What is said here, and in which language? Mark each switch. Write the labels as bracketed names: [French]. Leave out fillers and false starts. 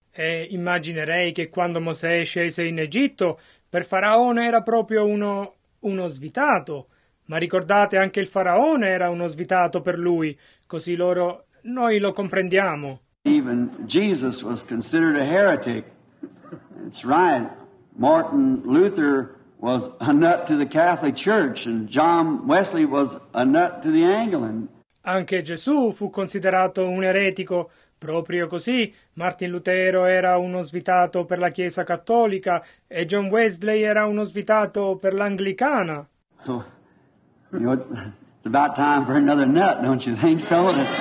[Italian] E immaginerei che quando Mosè scese in Egitto, per Faraone era proprio uno svitato. Ma ricordate, anche il Faraone era uno svitato per lui, così loro, noi lo comprendiamo. [English] Even Jesus was considered a heretic. That's right. Martin Luther was a nut to the Catholic Church, and John Wesley was a nut to the Anglican. [Italian] Anche Gesù fu considerato un eretico. Proprio così, Martin Lutero era uno svitato per la Chiesa Cattolica e John Wesley era uno svitato per l'Anglicana. [English] Oh, you know, it's about time for another nut, don't you think so?